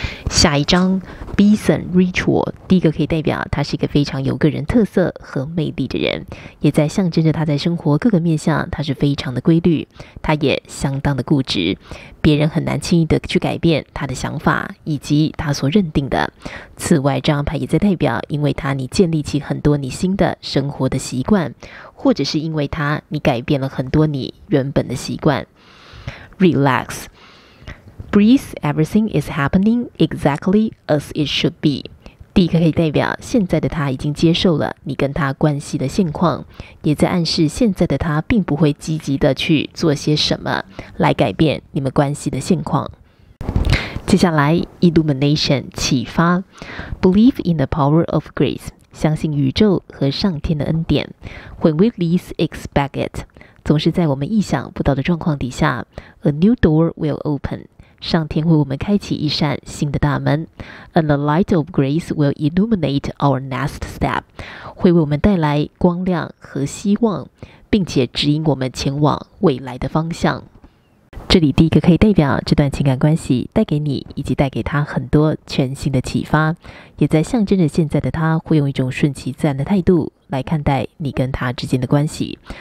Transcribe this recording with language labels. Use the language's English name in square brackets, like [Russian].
[Chinese] 下一张 Beeson Ritual， 第一个可以代表他是一个非常有个人特色和魅力的人，也在象征着他在生活各个面向他是非常的规律，他也相当的固执，别人很难轻易的去改变他的想法以及他所认定的。此外这张牌也在代表因为他你建立起很多你新的生活的习惯，或者是因为他你改变了很多你原本的习惯。 [English] RelaxBreathe, everything is happening exactly as it should be. [Chinese] 第一个可以代表现在的他已经接受了你跟他关系的现况，也在暗示现在的他并不会积极的去做些什么来改变你们关系的现况。接下来 Illumination, 启发 [English] Believe in the power of grace, [Chinese] 相信宇宙和上天的恩典。 [English] When we least expect it, [Chinese] 总是在我们意想不到的状况底下， [English] A new door will open. [Chinese] 上天为我们开启一扇新的大门， [English] And the light of grace will illuminate our next step， [Chinese] 会为我们带来光亮和希望，并且指引我们前往未来的方向。这里第一个可以代表这段情感关系带给你以及带给他很多全新的启发，也在象征着现在的他会用一种顺其自然的态度来看待你跟他之间的关系。